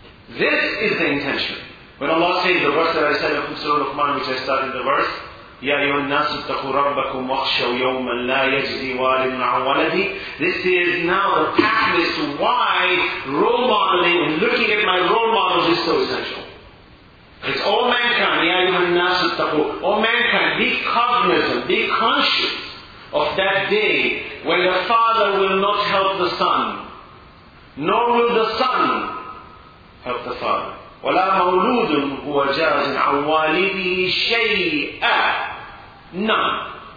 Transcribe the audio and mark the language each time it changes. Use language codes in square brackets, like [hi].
[en] This is the intention. When Allah says the verse that I said from Surah Luqman, which I started the verse, [ar] يَا أَيُّهَا النَّاسُ اتَّقُوا رَبَّكُمْ وَاخْشَوْا يَوْمًا لَا يَجْزِي وَالِدٌ عَنْ وَلَدِهِ. [en] This is now the pathway to why role modeling and looking at my role models is so essential. It's all mankind, [ar] يَا أَيُّهَا النَّاسُ اتَّقُوا. [en] All mankind, be cognizant, be conscious of that day when the father will not help the son, nor will the son help the father. [ar] وَلَا مَوْلُودٌ هُوَ جَازٍ عَنْ وَالِدِهِ شَيْئًا. [en] None.